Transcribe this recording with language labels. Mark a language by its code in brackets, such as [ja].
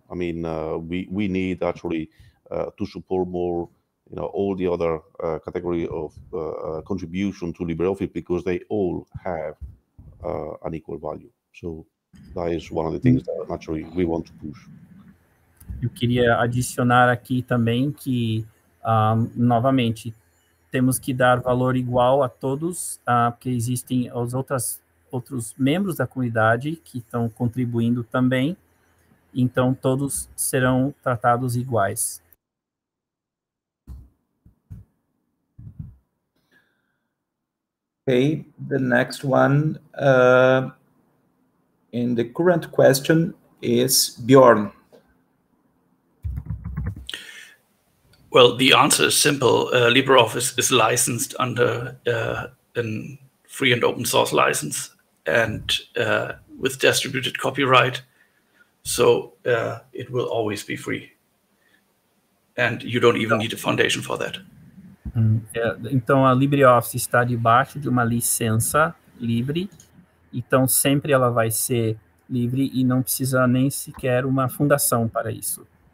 [en] I mean, we need actually to support more, all the other category of contribution to LibreOffice because they all have an equal value. So. That is one of the things that naturally we want to push. [pt] Eu queria adicionar aqui também que, novamente, temos que dar valor igual a todos, porque existem os outros membros da comunidade que estão contribuindo também. Então, todos serão tratados iguais. [en] Okay, the next one. And the current question is Bjorn. Well, the answer is simple. LibreOffice is licensed under a free and open source license and with distributed copyright. So it will always be free. And you don't even need a foundation for that. [pt] Então, a LibreOffice está debaixo de uma licença livre. Então, sempre ela vai ser livre e não precisa nem sequer uma fundação para isso.